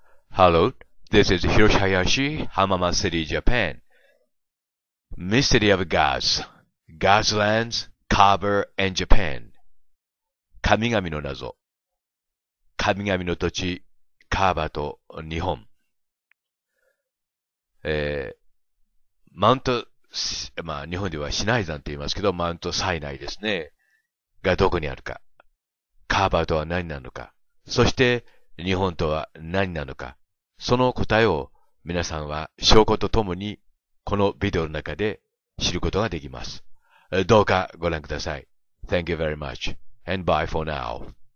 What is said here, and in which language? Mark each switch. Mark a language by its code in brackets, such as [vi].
[en] Hello, this is Hiroshi Hayashi, Hamamatsu City, Japan. Mystery of Gods, God's Lands, Kaaba and Japan. [ja] 神々の謎。神々の土地、カーバと日本。マウント、まあ日本ではシナイ山と言いますけど、マウントサイナイですね。がどこにあるか。カーバとは何なのか。そして日本とは何なのか。その答えを皆さんは証拠とともにこのビデオの中で知ることができます。どうかご覧ください。 [en] Thank you very much and bye for now.